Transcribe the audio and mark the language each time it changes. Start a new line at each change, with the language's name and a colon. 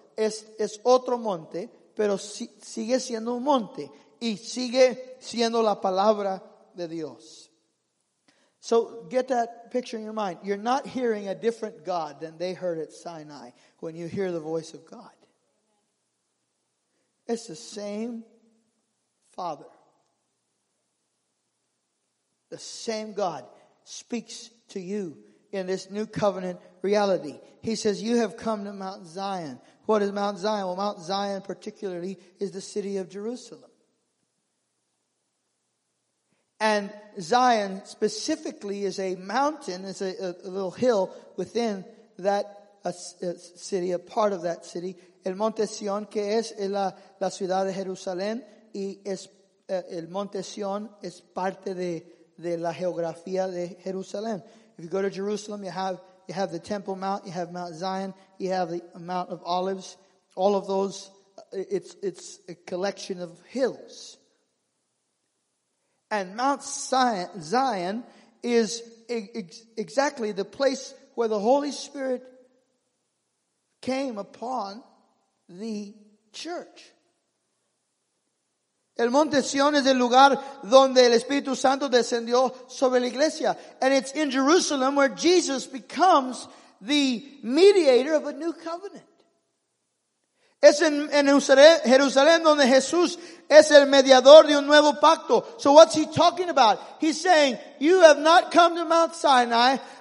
Spanish: Es otro monte, pero sigue siendo un monte, y sigue siendo la palabra de Dios.
English: So get that picture in your mind. You're not hearing a different God than they heard at Sinai when you hear the voice of God. It's the same Father. The same God speaks to you in this new covenant reality. He says, "You have come to Mount Zion." What is Mount Zion? Well, Mount Zion particularly is the city of Jerusalem. And Zion specifically is a mountain, is a little hill within that a city, a part of that city.
Spanish: El Monte Sion, que es la ciudad de Jerusalén, y es el Monte Sion es parte de la geografía de Jerusalén.
English: If you go to Jerusalem, you have the Temple Mount, you have Mount Zion, you have the Mount of Olives. All of those, it's a collection of hills. And Mount Zion is exactly the place where the Holy Spirit came upon the church.
Spanish: El Monte Sion es el lugar donde el Espíritu Santo descendió sobre la iglesia.
English: And it's in Jerusalem where Jesus becomes the mediator of a new covenant.
Spanish: Es en Jerusalén donde Jesús es el mediador de un nuevo pacto.
English: So what's he talking about? He's saying, you have not come to Mount Sinai,